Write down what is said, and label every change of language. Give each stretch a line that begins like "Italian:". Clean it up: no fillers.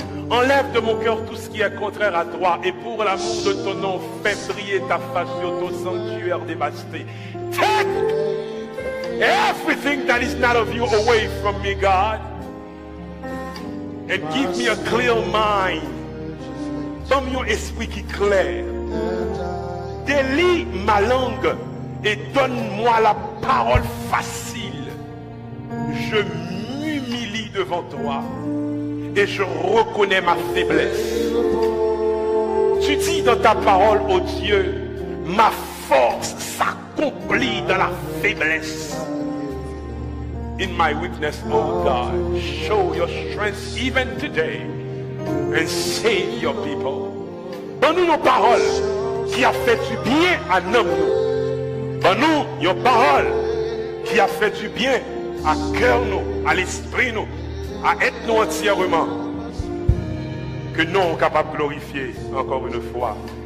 French: Enlève de mon cœur tout ce qui est contraire à toi. Et pour l'amour de ton nom, fais briller ta face sur ton sanctuaire dévasté.
English: Take everything that is not of you away from me, God. And give me a clear mind.
French: Donne-moi un esprit qui claire. Délie ma langue et donne-moi la parole facile. Je m'humilie devant toi et je reconnais ma faiblesse. Tu dis dans ta parole, ô Dieu, ma force s'accomplit dans la faiblesse.
English: In my weakness, oh God, show your strength even today and save your people.
French: Donne-nous nos paroles qui a fait du bien à l'homme. Donne-nous nos paroles qui a fait du bien à cœur nous, à l'esprit nous, à être nous entièrement. Que nous sommes capables de glorifier encore une fois.